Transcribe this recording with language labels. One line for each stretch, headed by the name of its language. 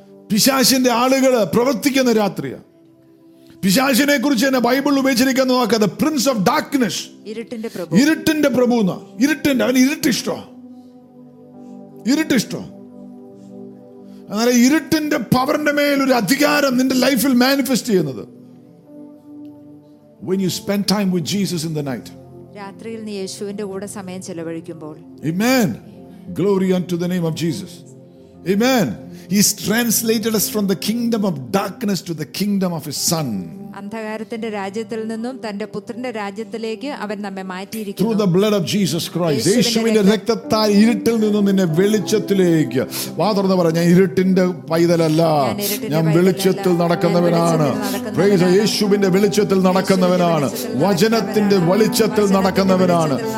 Malayalam: പിശാചിന്റെ ആളുകൾ പ്രവർത്തിക്കുന്ന രാത്രിയാ. പിശാചിനെ കുറിച്ച് തന്നെ ബൈബിൾ ഉപയോഗിച്ചിരിക്കുന്ന നോക്കാം,
English: the prince of darkness,
Malayalam: ഇരുട്ടിന്റെ പ്രഭു. ഇരുട്ടിന്റെ, അവന് ഇരുട്ടിഷ്ടോ? അതായത് ഇരുട്ടിന്റെ പവറിന്റെ മേലൊരു അധികാരം നിന്റെ ലൈഫിൽ മാനിഫെസ്റ്റ് ചെയ്യുന്നത്.
English: When you spend time with Jesus in the night.
Malayalam: രാത്രിയിൽ നീ യേശുവിന്റെ കൂടെ സമയം ചിലവഴിക്കുമ്പോൾ.
English: Amen. Glory unto the name of Jesus. Amen. He translated us from the kingdom of darkness to the kingdom of his son.
Malayalam: അന്ധകാരത്തിന്റെ രാജ്യത്തിൽ നിന്നും തന്റെ പുത്രന്റെ രാജ്യത്തിലേക്ക് അവൻ നമ്മെ മാറ്റിയിരിക്കുന്നു.
English: Through the blood of Jesus Christ.
Malayalam: യേശുവിന്റെ രക്തത്താൽ ഇരുട്ടിൽ നിന്നും നിന്നെ വെളിച്ചത്തിലേക്ക്. വാ തുറന്നു പറ, ഞാൻ ഇരുട്ടിന്റെ പൈതലല്ല, ഞാൻ വെളിച്ചത്തിൽ നടക്കുന്നവനാണ്. പ്രൈസ് യേശുവിന്റെ വെളിച്ചത്തിൽ നടക്കുന്നവനാണ്, വചനത്തിന്റെ വെളിച്ചത്തിൽ നടക്കുന്നവനാണ്.